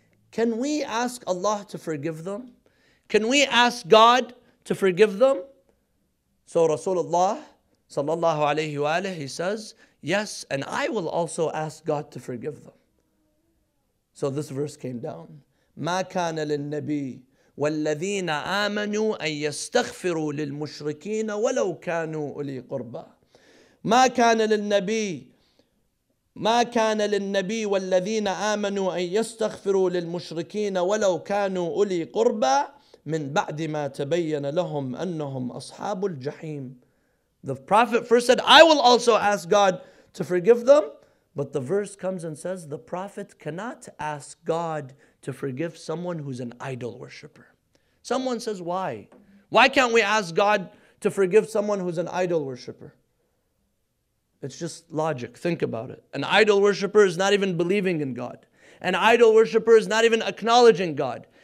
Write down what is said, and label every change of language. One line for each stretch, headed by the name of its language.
English: Can we ask Allah to forgive them? Can we ask God to forgive them? So Rasulullah sallallahu alayhi wa alayhi, he says, yes, and I will also ask God to forgive them. So this verse came down.
Arabic: مَا كَانَ لِلنَّبِيِّ وَالَّذِينَ آمَنُوا أَن يَسْتَغْفِرُوا لِلْمُشْرِكِينَ وَلَوْ كَانُوا أُولِي قُرْبَى مَا كَانَ لِلنَّبِيِّ مَا كَانَ لِلنَّبِيِّ وَالَّذِينَ آمَنُوا أَن يَسْتَغْفِرُوا لِلْمُشْرِكِينَ وَلَوْ كَانُوا أُولِي قُرْبَى مِنْ بَعْدِ مَا تَبَيَّنَ لَهُمْ أَنَّهُمْ أَصْحَابُ الْجَحِيمِ
English: The Prophet first said, I will also ask God to forgive them. But the verse comes and says, the Prophet cannot ask God to forgive someone who's an idol worshiper. Someone says, why? Why can't we ask God to forgive someone who's an idol worshiper? It's just logic. Think about it. An idol worshiper is not even believing in God. An idol worshiper is not even acknowledging God.